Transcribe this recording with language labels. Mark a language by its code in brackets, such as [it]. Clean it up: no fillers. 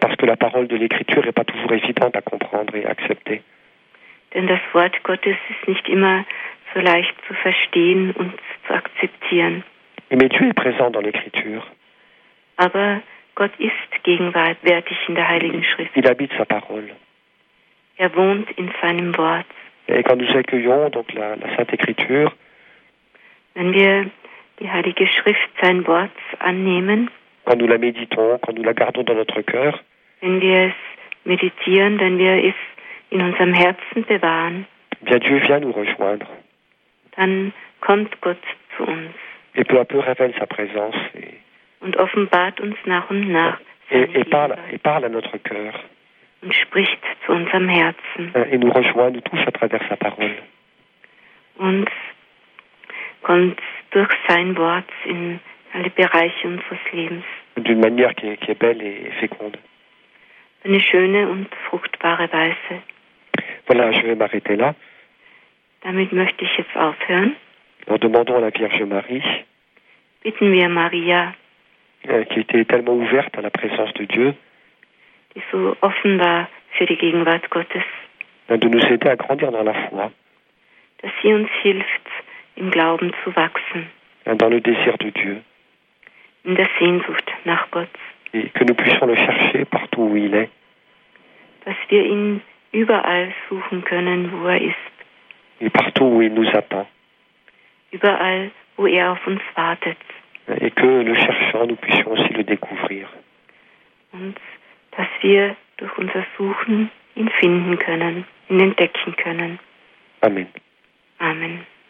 [fr] Parce que la parole de l'Écriture n'est pas toujours évidente à comprendre et à accepter. [de] Denn das Wort Gottes ist nicht immer so leicht zu verstehen und zu akzeptieren. [fr] Mais Dieu est présent dans l'Écriture. [de] Aber Gott ist gegenwärtig in der Heiligen Schrift. [fr] Il habite sa parole. [de] Er wohnt in seinem Wort. [fr] Et quand nous accueillons donc la Sainte Écriture, [de] wenn wir die Heilige Schrift, sein Wort annehmen, [fr] quand nous la méditons, quand nous la gardons dans notre cœur, [de] wenn wir es meditieren, wenn wir es in unserem Herzen bewahren, [fr] bien Dieu vient nous rejoindre, [de] dann kommt Gott zu uns, [fr] et peu à peu révèle sa présence, [de] und offenbart uns nach und nach, [fr] et parle à notre cœur, [de] und spricht zu unserem Herzen, [fr] et nous rejoint, nous touche à travers sa parole, [de] und kommt durch sein Wort in alle Bereiche unseres Lebens. [fr] D'une manière qui est belle et féconde. [de] Eine schöne und fruchtbare Weise. [fr] Voilà, je vais m'arrêter là. [de] Damit möchte ich jetzt aufhören. [fr] En demandant à la Vierge Marie. [de] Bitten wir Maria. [fr] Qui était tellement ouverte à la présence de Dieu. [de] Die so offen war für die Gegenwart Gottes. [fr] De nous aider à grandir dans la foi. [de] Dass sie uns hilft, im Glauben zu wachsen. [fr] Dans le désir de Dieu. [de] In der Sehnsucht nach Gott. [fr] Et que nous puissions le chercher partout où il est. [de] Dass wir ihn überall suchen können, wo er ist. [fr] Et partout où il nous attend. [de] Überall, wo er auf uns wartet. [fr] Et que le cherchant, nous puissions aussi le découvrir. [de] Und dass wir durch unser Suchen ihn finden können, ihn entdecken können. [fr] Amen. [de] Amen.